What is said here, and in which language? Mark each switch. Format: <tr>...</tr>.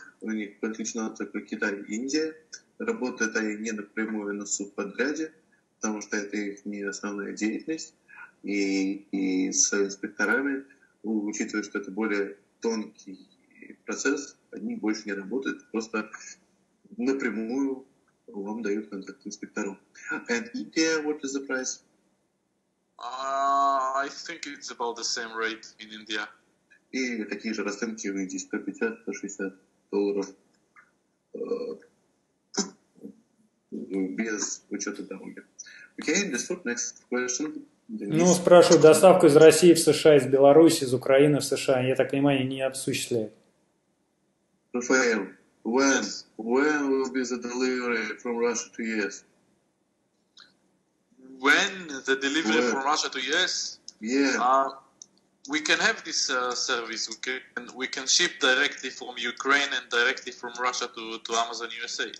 <ru>У них подключено только Китай, Индия. Работают они не напрямую на субподряде, потому что это их не основная деятельность. И с инспекторами, учитывая, что это более тонкий процесс, они больше не работают, просто напрямую вам дают контакт инспектору.</ru> <en>And India, what is the price? I think it's about the same rate in India.</en> <ru>И такие же расценки в Индии, 150-160 долларов. Без учета дороги. Окей, доступ,</ru> <en>next question.</en> <ru>Ну, спрашивают, доставку из России в США, из Беларуси, из Украины в США. Я так понимаю, не осуществляют.</ru> <en>Rafael, when? Yes. When will be the delivery from Russia to US? When the delivery from Russia to US? Yeah. We can have this service. We can ship directly from Ukraine and directly from Russia to Amazon USA.</en>